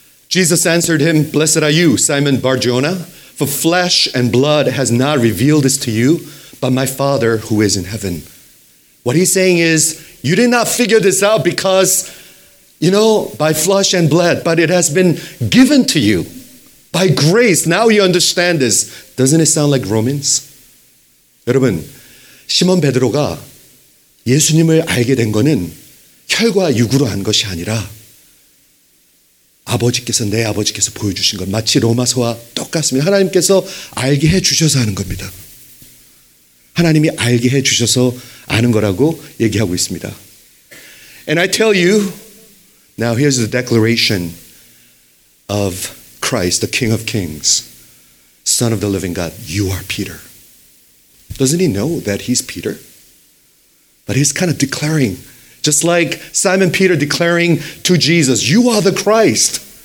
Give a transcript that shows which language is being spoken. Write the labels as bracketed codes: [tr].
[en] Jesus answered him, Blessed are you, Simon Bar-Jonah, for flesh and blood has not revealed this to you, but my Father who is in heaven. What he's saying is, you did not figure this out because, you know, by flesh and blood, but it has been given to you. By grace, now you understand this. Doesn't it sound like Romans? [ko] 여러분, 시몬 베드로가 예수님을 알게 된 거는 혈과 육으로 한 것이 아니라 아버지께서 내 아버지께서 보여주신 것 마치 로마서와 똑같습니다. 하나님께서 알게 해주셔서 하는 겁니다. 하나님이 알게 해주셔서 아는 거라고 얘기하고 있습니다. [en] And I tell you, now here's the declaration of Christ, the King of Kings, Son of the Living God, you are Peter. Doesn't he know that he's Peter? But he's kind of declaring, just like Simon Peter declaring to Jesus, you are the Christ.